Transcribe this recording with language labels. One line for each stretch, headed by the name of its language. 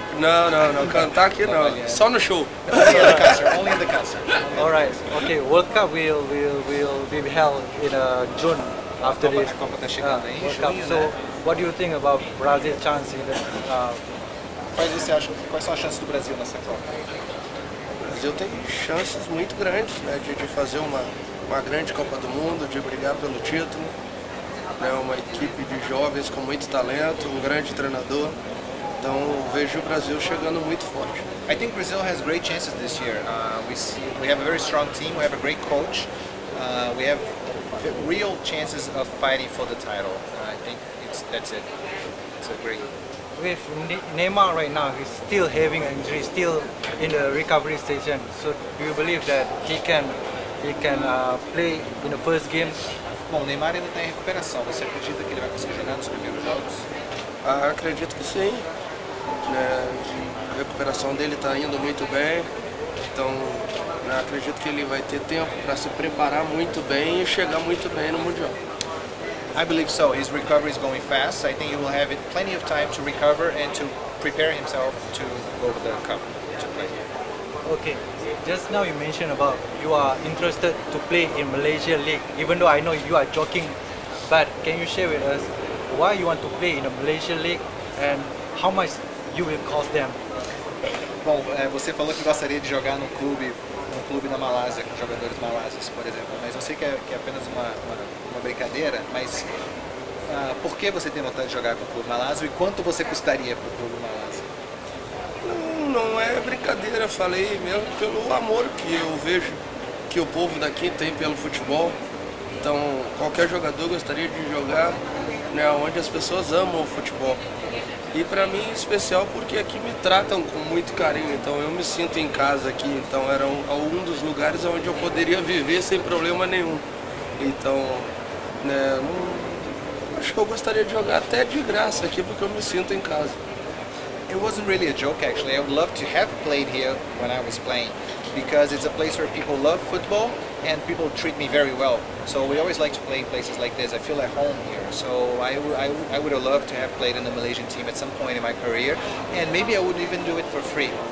Portuguese: No. Cantar aqui não. Só no show.
English: Only in the concert. Alright. Okay, World Cup will be held in June. After this,
Portuguese: a Copa tá chegando aí,
English: World Cup. So, what do you think about Brazil's chance in the...
Portuguese: Quais são as chances do Brasil nessa Copa? O Brasil tem chances muito grandes, né, de fazer uma grande Copa do Mundo, de brigar pelo título. né, uma equipe de jovens com muito talento, um grande treinador. Então vejo o Brasil chegando muito forte.
English: I think Brazil has great chances this year. We have a very strong team, we have a great coach. We have real chances of fighting for the title. I think that's it. It's a great. With Neymar right now, he's still having an injury, still in the recovery station. So do you believe that he can play in the first game?
Portuguese: Bom, Neymar ainda tem recuperação. Você acredita que ele vai conseguir jogar nos primeiros jogos? Acredito que sim. Né? A recuperação dele está indo muito bem. Então, né, acredito que ele vai ter tempo para se preparar muito bem e chegar muito bem no Mundial.
English: I believe so. His recovery is going fast. I think he will have plenty of time to recover and to prepare himself to go to the Cup to play. Okay. Just now you mentioned about you are interested to play in Malaysia League. Even though I know you are joking, but can you share with us why you want to play in a Malaysia League and how much you will cost them?
Portuguese: Bom, você falou que gostaria de jogar num clube na Malásia, com jogadores malásios, por exemplo. Mas eu sei que é apenas uma brincadeira, mas por que você tem vontade de jogar com o clube malásio e quanto você custaria para o clube malásio? Não é brincadeira, falei mesmo pelo amor que eu vejo que o povo daqui tem pelo futebol. Então, qualquer jogador gostaria de jogar, né, onde as pessoas amam o futebol. E para mim, em especial, porque aqui me tratam com muito carinho, então eu me sinto em casa aqui. Então era um dos lugares onde eu poderia viver sem problema nenhum. Então, né, acho que eu gostaria de jogar até de graça aqui, porque eu me sinto em casa.
English: It wasn't really a joke, actually. I would love to have played here when I was playing, because it's a place where people love football and people treat me very well. So we always like to play in places like this. I feel at home here. So I would have loved to have played in the Malaysian team at some point in my career, and maybe I would even do it for free.